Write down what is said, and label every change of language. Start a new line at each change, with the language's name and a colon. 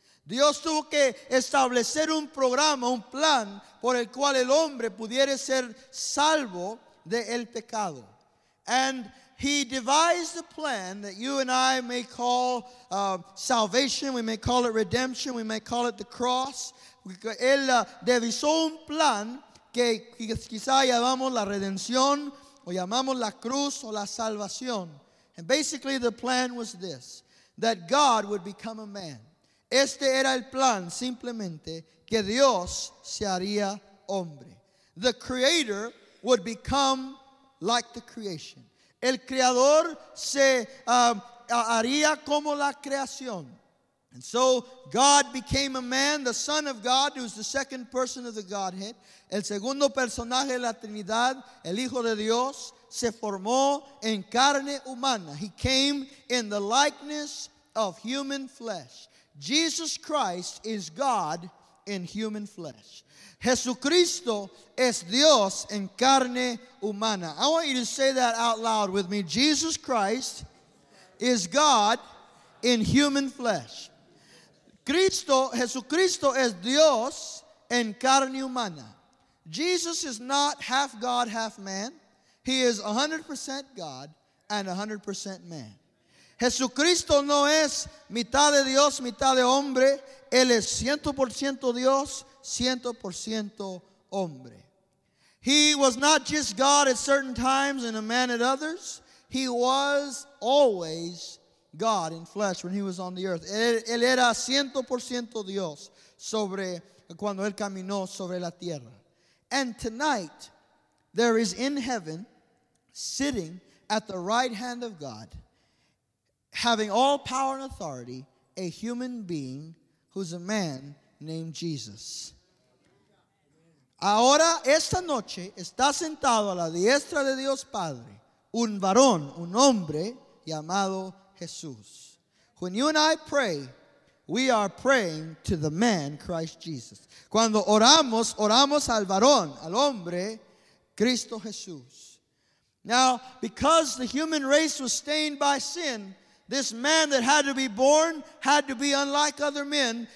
Spanish: Dios tuvo que establecer un programa, un plan, por el cual el hombre pudiera ser salvo de el pecado.
English: And he devised a plan that you and I may call salvation, we may call it redemption, we may call it the cross.
Spanish: Él devisó un plan que quizá llamamos la redención, o llamamos la cruz o la salvación.
English: And basically the plan was this, that God would become a man.
Spanish: Este era el plan, simplemente, que Dios se haría hombre.
English: The creator would become like the creation.
Spanish: El creador se haría como la creación.
English: And so God became a man, the Son of God, who is the second person of the Godhead.
Spanish: El segundo personaje de la Trinidad, el Hijo de Dios, se formó en carne humana.
English: He came in the likeness of human flesh. Jesus Christ is God in human flesh.
Spanish: Jesucristo es Dios en carne humana.
English: I want you to say that out loud with me. Jesus Christ is God in human flesh.
Spanish: Cristo, Jesucristo es Dios en carne humana.
English: Jesus is not half God, half man. He is 100% God and 100% man.
Spanish: Jesucristo no es mitad de Dios, mitad de hombre. Él es 100% Dios, 100% hombre.
English: He was not just God at certain times and a man at others. He was always God in flesh when he was on the earth.
Spanish: Él era 100% Dios sobre cuando él caminó sobre la tierra.
English: And tonight, there is in heaven, sitting at the right hand of God, having all power and authority, a human being who's a man named Jesus.
Spanish: Ahora, esta noche, está sentado a la diestra de Dios Padre, un varón, un hombre llamado Jesús.
English: When you and I pray, we are praying to the man, Christ Jesus.
Spanish: Cuando oramos, oramos al varón, al hombre, Cristo Jesús.
English: Now, because the human race was stained by sin, this man that had to be born had to be unlike other men.